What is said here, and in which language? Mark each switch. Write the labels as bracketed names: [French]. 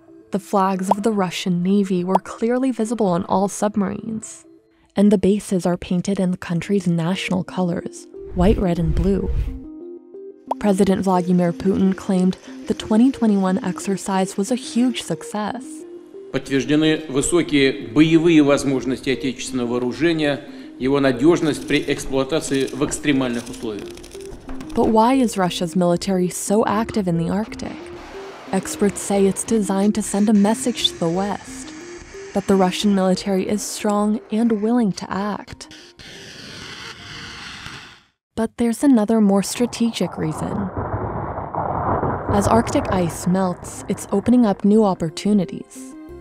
[English] The flags of the Russian Navy were clearly visible on all submarines, and the bases are painted in the country's national colors, white, red, and blue. President Vladimir Putin claimed the 2021 exercise was a huge success. [Russian] Подтверждены высокие боевые возможности отечественного вооружения, его надежность при эксплуатации в экстремальных условиях. [English] But why is Russia's military so active in the Arctic? Experts say it's designed to send a message to the West, that the Russian military is strong and willing to act. But there's another more strategic reason. As Arctic ice melts, it's opening up new opportunities.